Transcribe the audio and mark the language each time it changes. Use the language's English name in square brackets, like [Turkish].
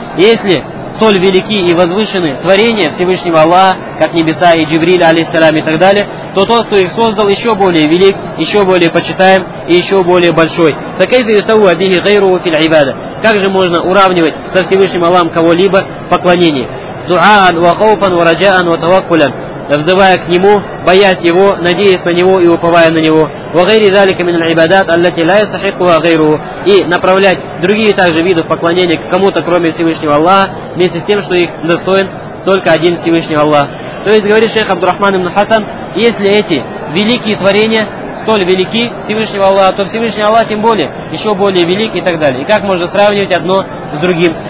[Russian] Если столь велики и возвышены творения Всевышнего Аллаха, как небеса и Джибриль, алейхиссалям и так далее, то тот, кто их создал, еще более велик, еще более почитаем и еще более большой. [Arabic] «Факайфа юсаву бихи гайруху филь ибада». [Russian] Как же можно уравнивать со Всевышним Аллахом кого-либо в поклонении? [Arabic] «Дуаан ва хауфан ва раджаан ва таваккулян». [Russian] взывая к нему, боясь его, надеясь на него и уповая на него. [Arabic] وغيري ذلك من العبادات التي لا يستحقها غيره. [Russian] И направлять другие также виды поклонения к кому-то, кроме Всевышнего Аллаха, вместе с тем, что их достоин только один Всевышний Аллах. То есть, говорит шейх Абдурахман ибн Хасан, если эти великие творения столь велики Всевышнего Аллаха, то Всевышний Аллах тем более, еще более велик и так далее. И как можно сравнивать одно с другим?